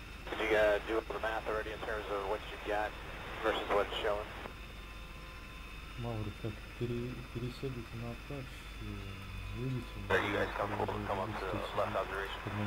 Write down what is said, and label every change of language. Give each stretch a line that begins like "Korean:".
English: Did you do up the math already in terms of what you've got versus what it's showing?
Russian: Маврик, как пересядете на Апач, выйдете...
English: Are you guys comfortable to come up to left observation?